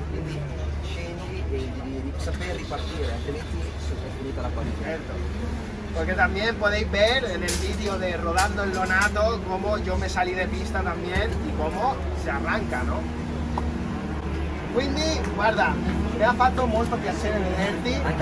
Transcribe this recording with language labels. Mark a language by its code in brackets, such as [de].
[it] Quindi scendi e devi saper ripartire, altrimenti è finita la qualifica. Certo. [es] Porque también podéis ver en el vídeo de Rodando el Donato cómo yo me salí de pista también y cómo se arranca, ¿no? [it] Quindi, guarda, me ha fatto molto piacere vederti.